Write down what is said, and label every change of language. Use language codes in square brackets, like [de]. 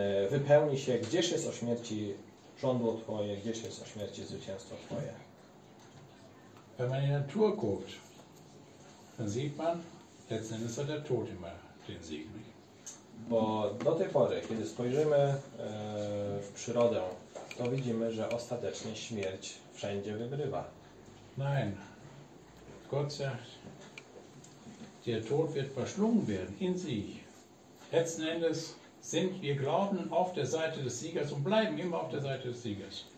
[pl] wypełni się, gdzież jest o śmierci żądło twoje, gdzież jest o śmierci zwycięstwo twoje. [de] Wenn man in der Natur guckt, dann sieht man, letzten Endes hat der Tod immer den Sieg. [pl] Bo do tej pory, kiedy spojrzymy w przyrodę, to widzimy, że ostatecznie śmierć wszędzie wygrywa. [de] Nein. Gott sagt, der Tod wird verschlungen werden in sich. Letzten Endes sind wir glauben auf der Seite des Siegers und bleiben immer auf der Seite des Siegers.